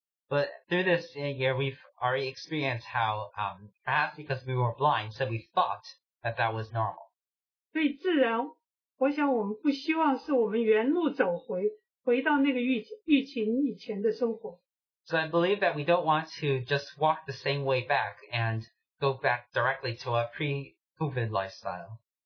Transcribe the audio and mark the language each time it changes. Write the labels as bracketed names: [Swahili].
[English] but through this year, we've already experienced how, perhaps because we were blind, so we thought that that was normal. [Chinese] 所以自然,我想我们不希望是我们原路走回到那个疫情以前的生活。 [English] So I believe that we don't want to just walk the same way back and go back directly to a pre-COVID lifestyle.